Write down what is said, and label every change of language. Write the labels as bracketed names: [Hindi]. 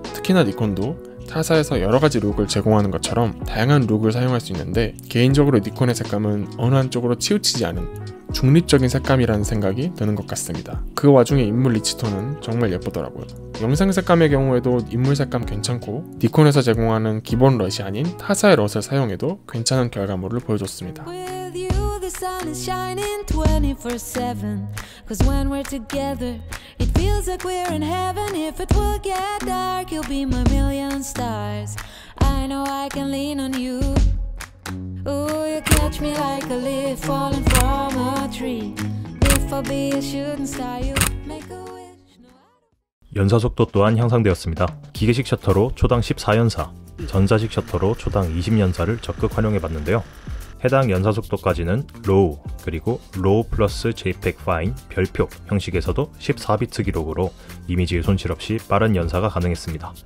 [Korean] 특히나 니콘도 타사에서 여러가지 룩을 제공하는 것처럼 다양한 룩을 사용할 수 있는데 개인적으로 니콘의 색감은 어느 한쪽으로 치우치지 않은 중립적인 색감이라는 생각이 드는 것 같습니다. 그 와중에 인물 리치톤은 정말 예쁘더라고요. 영상 색감의 경우에도 인물 색감 괜찮고 니콘에서 제공하는 기본 럿이 아닌 타사의 럿을 사용해도 괜찮은 결과물을 보여줬습니다. [English] Sun is shining 24/7 cause when we're together it feels like we're in heaven if it will get dark you'll be my million stars I know I can lean on you ooh you catch me like a leaf falling from a tree if I be a shooting star you make a wish no, I don't... [Korean] 연사 속도 또한 향상되었습니다. 기계식 셔터로 초당 14연사, 전자식 셔터로 초당 20연사를 적극 활용해봤는데요. 해당 연사 속도까지는 로우 그리고 로우 플러스 JPEG 파인 별표 형식에서도 14비트 기록으로 이미지의 손실 없이 빠른 연사가 가능했습니다.